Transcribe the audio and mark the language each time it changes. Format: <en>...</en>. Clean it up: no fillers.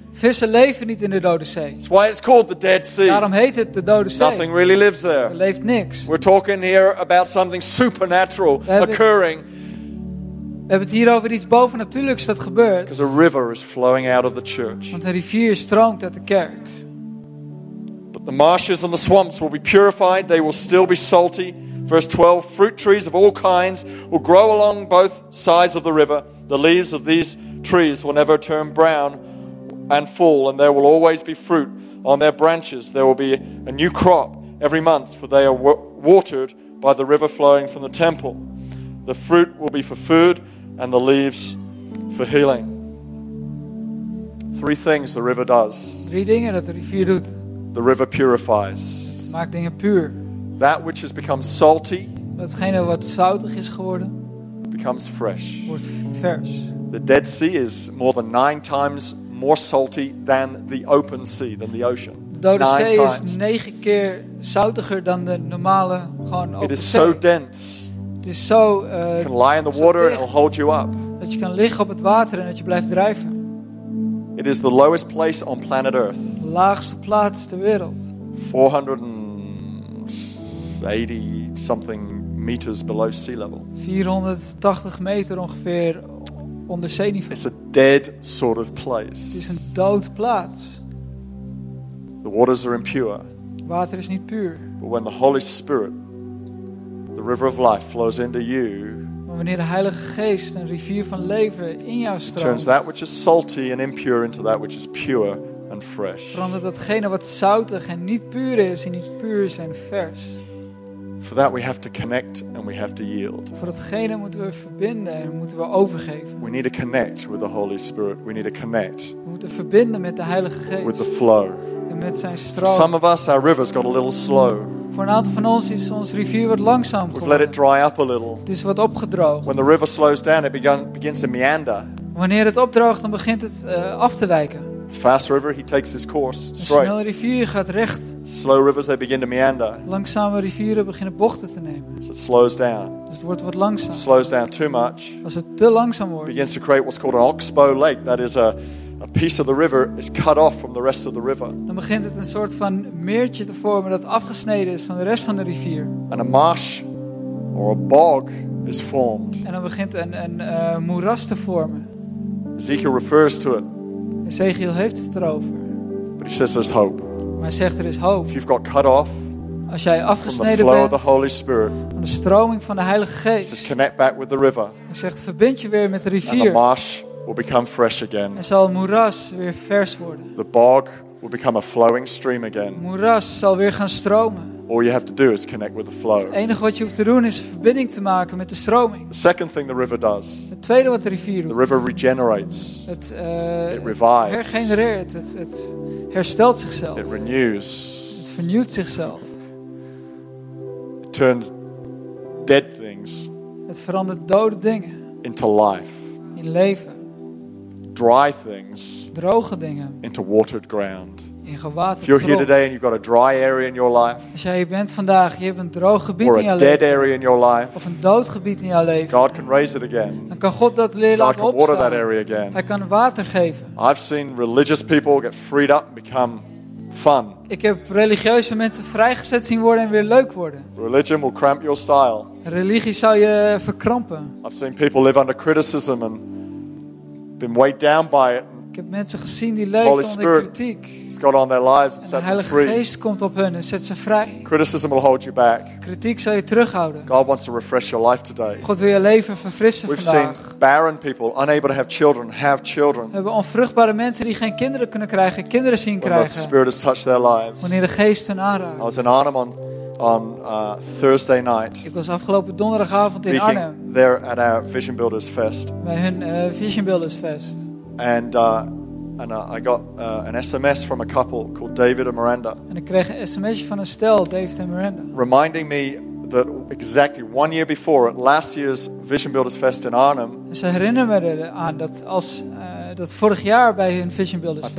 <nl>Vissen leven niet in de Dode Zee.</nl> <en>That's why it's called the Dead Sea.</en> <nl>Daarom heet het de Dode Zee.</nl> <en>Nothing really lives there.</en> <nl>Er leeft niks.</nl> <en>We're talking here about something supernatural occurring.</en> <nl>We hebben het hier over iets bovennatuurlijks dat gebeurt.</nl> <en>Because a river is flowing out of the church.</en> <nl>Want een rivier stroomt uit de kerk.</nl> <en>But the marshes and the swamps will be purified. They will still be salty. Verse 12, "Fruit trees of all kinds will grow along both sides of the river. The leaves of these trees will never turn brown and fall, and there will always be fruit on their branches. There will be a new crop every month, for they are watered by the river flowing from the temple. The fruit will be for food and the leaves for healing." Three things the river does.</en> <nl>Drie dingen dat de rivier doet.</nl> <en>The river purifies.</en> <nl>Het maakt dingen puur.</nl> <en>That which has become salty,</en> <nl>datgene wat zoutig is geworden,</nl> <en>becomes fresh.</en> <nl>Wordt vers.</nl> <en>The Dead Sea is more than 9 times more salty than the open sea, than the ocean.</en> <nl>De Dode Zee</nl> <en>times.</en> <nl>Is 9 keer zoutiger dan de normale gewoon open zee.</nl> <en>It is so dense.</en> <nl>Het is zo.</nl> <en>You can lie in the water and it'll hold you up.</en> <nl>Dat je kan liggen op het water en dat je blijft drijven.</nl> <en>It is the lowest place on planet Earth.</en> <nl>De laagste plaats ter wereld.</nl> <en>480 something meters below sea level.</en> <nl>480 meter ongeveer onder zeeniveau.</nl> <en>It's a dead sort of place.</en> <nl>Het is een dood plaats.</nl> <en>The waters are impure.</en> <nl>Water is niet puur.</nl> <en>But when the Holy Spirit, the river of life, flows into you.</en> <nl>Maar wanneer de Heilige Geest een rivier van leven in jou stroomt.</nl> <en>Turns that which is salty and impure into that which is pure and fresh.</en> <nl>Verandert datgene wat zoutig en niet puur is in iets puurs en vers.</nl> <en>For that we have to connect and we have to yield.</en> <nl>Voor datgene moeten we verbinden en moeten we overgeven.</nl> <en>We need to connect with the Holy Spirit. We need to connect.</en> <nl>We moeten verbinden met de Heilige Geest.</nl> <en>With the flow.</en> <nl>En met zijn stroom.</nl> <en>Some of us, our rivers got a little slow.</en> <nl>Voor een aantal van ons is ons rivier wat langzaam geworden.</nl> <en>We've let it dry up a little.</en> <nl>Het is wat opgedroogd.</nl> <en>When the river slows down, it begins to meander.</en> <nl>Wanneer het opdroogt, dan begint het af te wijken.</nl> <en>Fast river, he takes his course.</en> <nl>Een snelle rivier gaat recht.</nl> <en>Slow rivers, they begin to meander.</en> <nl>Langzame rivieren beginnen bochten te nemen.</nl> <en>So it slows down.</en> <nl>Dus het wordt wat langzaam.</nl> <en>Slows down too much.</en> <nl>Als het te langzaam wordt.</nl> <en>Begins to create what's called an oxbow lake. That is a a piece of the river is cut off from the rest of the river.</en> <nl>Dan begint het een soort van meertje te vormen dat afgesneden is van de rest van de rivier.</nl> <en>And a marsh or a bog is formed.</en> <nl>En dan begint een moeras te vormen.</nl> <en>Ezekiel refers to it.</en> <nl>Ezekiel heeft het erover.</nl> <en>But he says there's hope.</en> <nl>Maar hij zegt er is hoop.</nl> <en>If you've got cut off.</en> <nl>Als jij afgesneden bent van de stroming van de Heilige Geest,</nl> <en>just connect back with the river,</en> <nl>en zegt verbind je weer met de rivier,</nl> <en>and the marsh will become fresh again.</en> <nl>En zal moeras weer vers worden.</nl> <en>The bog will become a flowing stream again.</en> <nl>Moeras zal weer gaan stromen.</nl> <en>All you have to do is connect with the flow.</en> <nl>Het enige wat je hoeft te doen is verbinding te maken met de stroming.</nl> <en>The second thing the river does.</en> <nl>Het tweede wat de rivier doet.</nl> <en>The river regenerates.</en> <nl>Het</nl> <en>revives.</en> <nl>Hergenereert. Het herstelt zichzelf.</nl> <en>It renews.</en> <nl>Het vernieuwt zichzelf.</nl> <en>Turns dead things.</en> <nl>Het verandert dode dingen.</nl> <en>Into life.</en> <nl>In leven.</nl> <en>Dry things.</en> <nl>Droge dingen.</nl> <en>Into watered ground.</en> <nl>In gewaterd grond.</nl> <en>If you're here today and you've got a dry area in your life.</en> <nl>Als jij hier bent vandaag, je hebt een droog gebied</nl> <en>or</en> <nl>in jouw leven.</nl> <en>A dead area in your life.</en> <nl>Of een dood gebied in jouw leven.</nl> <en>God can raise it again.</en> <nl>Dan kan God dat weer laten opstaan.</nl> <en>God can water that area again.</en> <nl>Hij kan water geven.</nl> <en>I've seen religious people get freed up and become fun.</en> <nl>Ik heb religieuze mensen vrijgezet zien worden en weer leuk worden.</nl> <en>Religion will cramp your style.</en> <nl>Religie zal je verkrampen.</nl> <en>I've seen people live under criticism and been weighed down by it.</en> <nl>Ik heb mensen gezien die leven</nl> <en>Holy</en> <nl>onder kritiek.</nl> <en>It's got on their lives and</en> <nl>en de Heilige Geest</nl> <en>free.</en> <nl>Komt op hun en zet ze vrij.</nl> <en>Criticism will hold you back.</en> <nl>Kritiek zal je terughouden.</nl> <en>God wants to refresh your life today.</en> <nl>God wil je leven verfrissen</nl> <en>We've</en> <nl>vandaag.</nl> <en>We've seen barren people unable to have children have children.</en> <nl>We hebben onvruchtbare mensen die geen kinderen kunnen krijgen, kinderen zien krijgen.</nl> <en>When the Spirit has touched their lives.</en> <nl>Wanneer de Geest hen aanraakt.</nl> <en>I was in Arnhem on Thursday night.</en> <nl>Ik was afgelopen donderdagavond in</nl> <en>speaking</en> <nl>Arnhem.</nl> <en>There at our Vision Builders Fest.</en> <nl>Bij hun Vision Builders Fest.</nl> <en>And I got an SMS from a couple called David and Miranda.</en> <nl>En ik kreeg een sms van een stel, David en Miranda.</nl> <en>Reminding me that exactly 1 year before at last year's Vision Builders Fest in Arnhem.</en> <nl>En ze herinneren me eraan dat als dat vorig jaar bij hun Vision Builders Fest.</nl>